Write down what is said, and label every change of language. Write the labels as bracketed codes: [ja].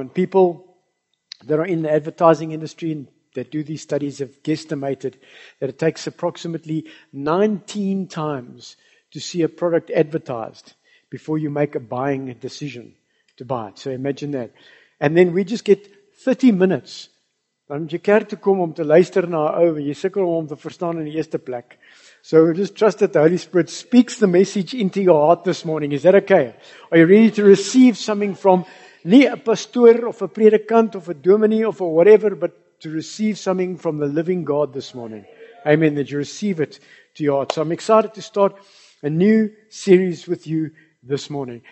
[en] And people that are in the advertising industry and that do these studies have guesstimated that it takes approximately 19 times to see a product advertised before you make a buying decision to buy it. So imagine that. And then we just get 30 minutes. [af] Dan moet jy kerk toe kom om te luister na 'n ou, jy sukkel om hom te verstaan in die eerste plek. [en] So just trust that the Holy Spirit speaks the message into your heart this morning. Is that okay? Are you ready to receive something from [af] nie a pastoor of a predikant of a dominee [en] of a whatever, but to receive something from the living God this morning. Amen. That you receive it to your heart. So I'm excited to start a new series with you this morning.